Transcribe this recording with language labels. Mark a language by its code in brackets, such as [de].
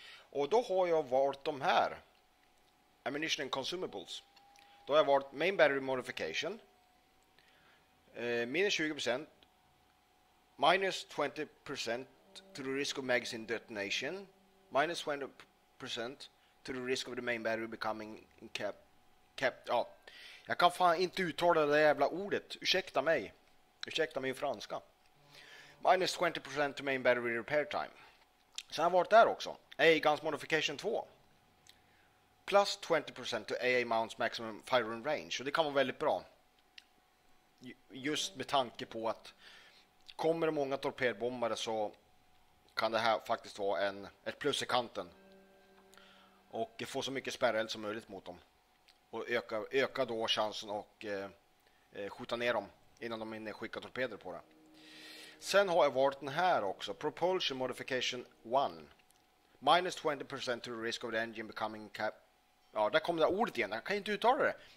[sv] Och då har jag valt de här [en] ammunition and consumables. [sv] Då har jag valt [en] main battery modification, minus 20%, minus 20% to the risk of magazine detonation, minus 20% to the risk of the main battery becoming capped. [sv] Ja, jag kan fan inte uttala det jävla ordet. Ursäkta mig. Ursäkta min franska. [en] Minus 20% to main battery repair time. [sv] Sen har jag varit där också. [en] AA Guns Modification 2. Plus 20% to AA Mounts Maximum Firing Range. [sv] Och det kan vara väldigt bra. Just med tanke på att kommer det många torpedbombare så kan det här faktiskt vara ett plus i kanten. Och få så mycket spärreld som möjligt mot dem. Och öka då chansen och skjuta ner dem innan de hinner skicka torpeder på det. Sen har jag varit den här också. [en] Propulsion modification 1. Minus 20% to the risk of the engine becoming cap. [sv] Ja, där kommer det ordet igen. Jag kan inte uttala det.